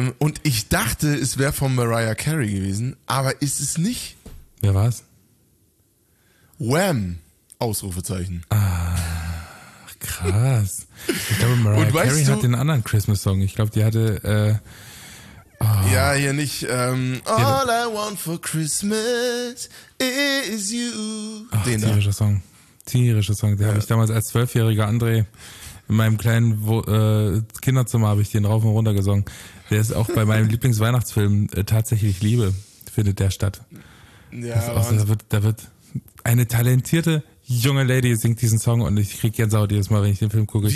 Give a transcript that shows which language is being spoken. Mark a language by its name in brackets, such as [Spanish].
[German] Und ich dachte, es wäre von Mariah Carey gewesen, aber ist es nicht. Wer war's? Wham! Ausrufezeichen. Ah, krass. Ich glaube, Mariah Carey hat den anderen Christmas-Song. Ich glaube, die hatte... Ja, hier nicht. [English] All I want for Christmas is you. [German] Ach, tierischer Song. Tierischer Song. Den habe ich damals als 12-jähriger André in meinem kleinen Kinderzimmer habe ich den rauf und runter gesungen. Der ist auch bei meinem Lieblingsweihnachtsfilm tatsächlich Liebe, findet der statt. Ja, auch, da wird eine talentierte junge Lady singt diesen Song und ich krieg Gänsehaut jedes Mal, wenn ich den Film gucke.